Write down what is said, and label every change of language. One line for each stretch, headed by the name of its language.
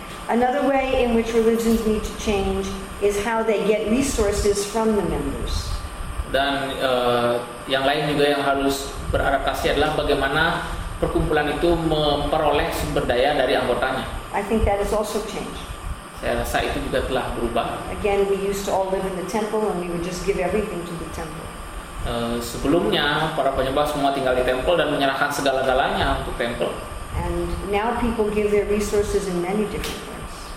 English: Another way in which religions need to change is how they get resources from the members.
Indonesian: Dan yang lain juga yang harus beradaptasi adalah bagaimana perkumpulan itu memperoleh sumber daya dari anggotanya.
English: I think that has also changed.
Indonesian: Saya rasa itu juga telah berubah.
English: Again, we used to all live in the temple and we would just give everything to the temple.
Indonesian: Sebelumnya para penyembah semua tinggal di temple dan menyerahkan segala-galanya untuk temple.
English: And now people give their resources in many different ways.